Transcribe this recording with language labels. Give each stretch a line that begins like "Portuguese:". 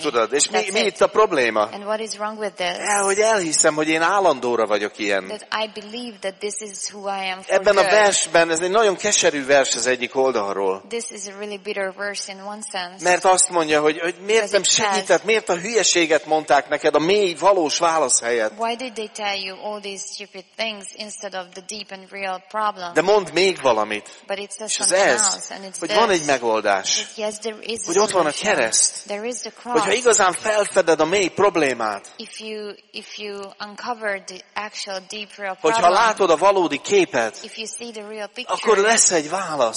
Hungarian: Tudod, és mi itt a probléma?
English: And what is wrong with this?
Hungarian: Hogy elhiszem, hogy én állandóra vagyok ilyen.
English: That I believe that this is who I am for.
Hungarian: Ebben a versben, ez egy nagyon keserű vers az egyik oldalról.
English: This is a really bitter verse in one sense.
Hungarian: Mert azt mondja, hogy miért nem segített, miért a hülyeséget mondták neked a mély, valós válasz helyett.
English: Why did they tell you all these stupid things instead of the deep and real problem?
Hungarian: De mond még valamit.
English: But it says something else, and it's
Hungarian: hogy van egy megoldás.
English: Yes, there is.
Hungarian: Hogy ott van a kereszt.
English: There is the cross.
Hungarian: Hogyha igazán felfeded a mély problémát.
English: If you uncover the actual deep real problem.
Hungarian: Hogyha látod a valódi képet.
English: If you see the real picture,
Hungarian: akkor lesz egy válasz.